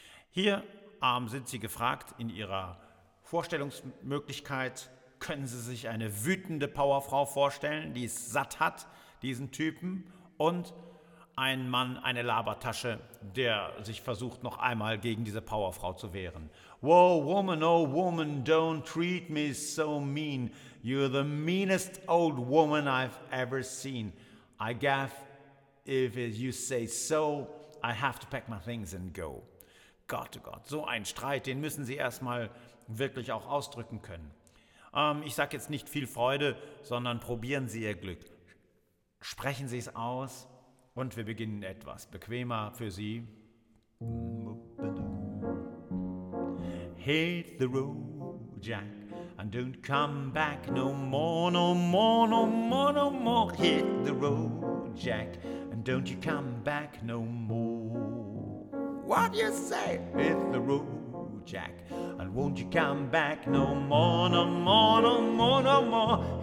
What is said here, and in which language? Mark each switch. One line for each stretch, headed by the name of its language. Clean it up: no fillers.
German: Hier sind sie gefragt in ihrer Vorstellungsmöglichkeit, können sie sich eine wütende Powerfrau vorstellen, die es satt hat, diesen Typen, und ein Mann, eine Labertasche, der sich versucht, noch einmal gegen diese Powerfrau zu wehren.
English: Whoa, woman, oh woman, don't treat me so mean. You're the meanest old woman I've ever seen. I gaff if you say so, I have to pack my things and go.
German: Gott, oh Gott, so ein Streit, den müssen sie erstmal wirklich auch ausdrücken können. Ich sage jetzt nicht viel Freude, sondern probieren Sie Ihr Glück. Sprechen Sie es aus. Und wir beginnen etwas bequemer für Sie.
English: Hit the road, Jack, and don't come back no more, no more, no more, no more. Hit the road, Jack, and don't you come back no more. What do you say? Hit the road, Jack, and won't you come back no more, no more, no more, no more.